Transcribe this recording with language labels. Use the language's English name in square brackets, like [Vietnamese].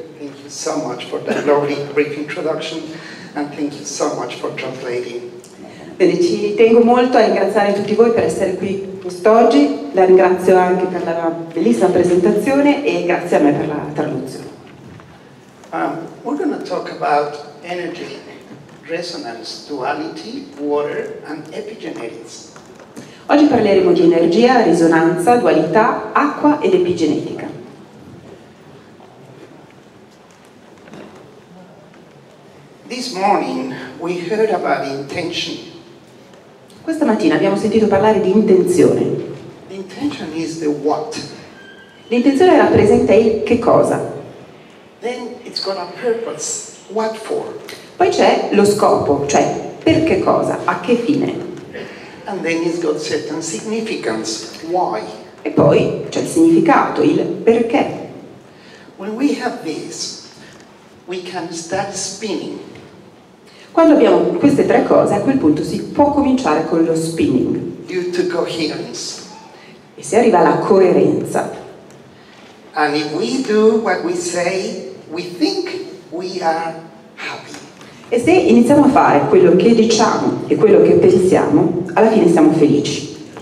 [English] Thank you so much for that lovely brief introduction, and thank you so much for translating. [Italian] Bene, ci tengo molto a ringraziare tutti voi per essere qui quest'oggi. La ringrazio anche per la bellissima presentazione e grazie a me per la traduzione. [English] We're going to talk about energy, resonance, duality, water, and epigenetics. [Italian] Oggi parleremo di energia, risonanza, dualità, acqua ed epigenetica. [English] This morning we heard about intention. [Italian] Questa mattina abbiamo sentito parlare di intenzione. [English] Intention is the what. [Italian] L'intenzione rappresenta il che cosa. [English] Then it's got a purpose. What for? [Italian] Poi c'è lo scopo, cioè per che cosa, a che fine. [English] And then it's got certain significance. Why? [Italian] E poi c'è il significato, il perché. [English] When we have this, we can start spinning. [Italian] Quando abbiamo queste tre cose, a quel punto si può cominciare con lo spinning. [English] Due to coherence. [Italian] E si arriva alla coerenza. [English] And if we do what we say, we think we are happy. [Italian] E se iniziamo a fare quello che diciamo e quello che pensiamo, alla fine siamo felici.